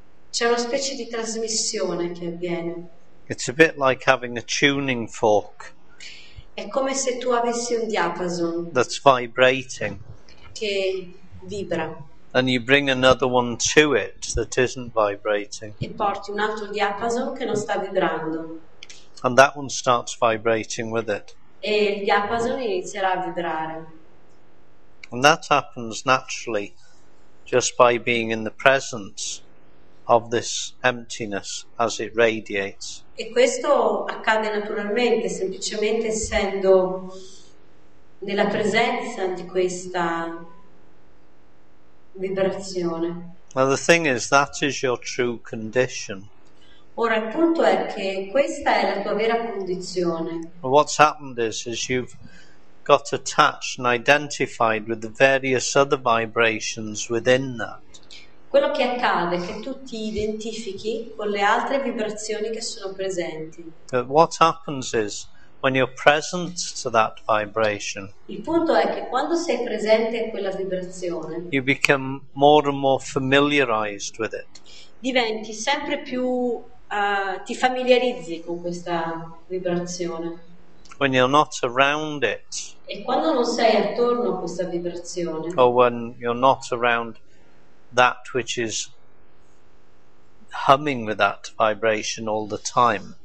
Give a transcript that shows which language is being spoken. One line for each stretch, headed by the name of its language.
Italian: C'è una specie di trasmissione che avviene.
English: It's a bit like having a tuning fork.
Italian: È come se tu avessi un diapason.
English: That's vibrating.
Italian: Che vibra.
English: And you bring another one to it that isn't vibrating.
Italian: E porti un altro diapason che non sta vibrando.
English: And that one starts vibrating with it.
Italian: E il diapason inizierà a vibrare.
English: And that happens naturally, just by being in the presence of this emptiness as it radiates.
Italian: E questo accade naturalmente, semplicemente essendo nella presenza di questa vibrazione.
English: Now the thing is, that is your true condition.
Italian: Ora il punto è che questa è la tua vera condizione.
English: Well, what's happened is you've got attached and identified with the various other vibrations within that.
Italian: Quello che accade è che tu ti identifichi con le altre vibrazioni che sono presenti.
English: But what happens is, when you're present to that vibration,
Italian: il punto è che quando sei presente a quella vibrazione,
English: you become more and more familiarized with it.
Italian: Diventi sempre più, ti familiarizzi con questa vibrazione.
English: When you're not around it,
Italian: e quando non sei attorno a questa vibrazione,
English: or when you're not around that which is humming with that vibration all the time,